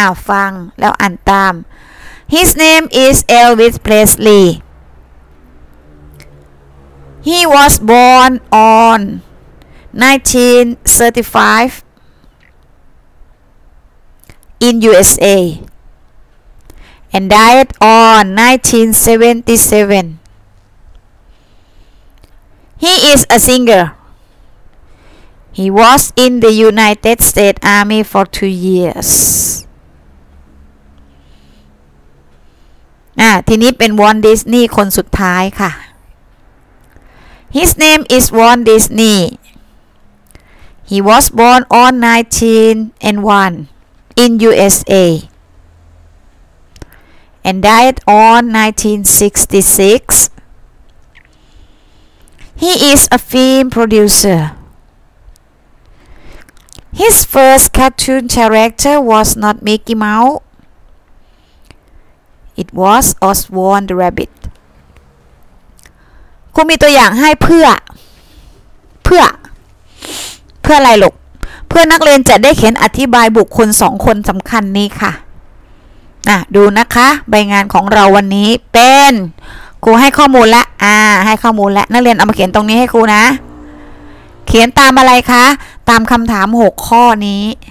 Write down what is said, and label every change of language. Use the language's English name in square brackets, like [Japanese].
[Thai] ฟังแล้วอ่านตาม [English] His name is Elvis Presley He was born on 1935 in USA and died on 1977 He is a singerHe was in the United States Army for 2 years. [Thai] ทีนี้เป็น [English] Walt Disney [Thai] คนสุดท้ายค่ะ [English] His name is Walt Disney. He was born on 1901 in USA and died on 1966. He is a film producer. His first cartoon character was not Mickey Mouse. It was Oswald the Rabbit. [Thai] คุณมีตัวอย่างให้เพื่ออะไรลูกเพื่อนักเรียนจะได้เห็นอธิบายบุคคล2คนสำคัญนี้ค่ะน่ะดูนะคะใบงานของเราวันนี้เป็นครูให้ข้อมูลแล้วให้ข้อมูลแล้วนักเรียนเอามาเขียนตรงนี้ให้ครูนะเขียนตามอะไรคะตามคำถาม6ข้อนี้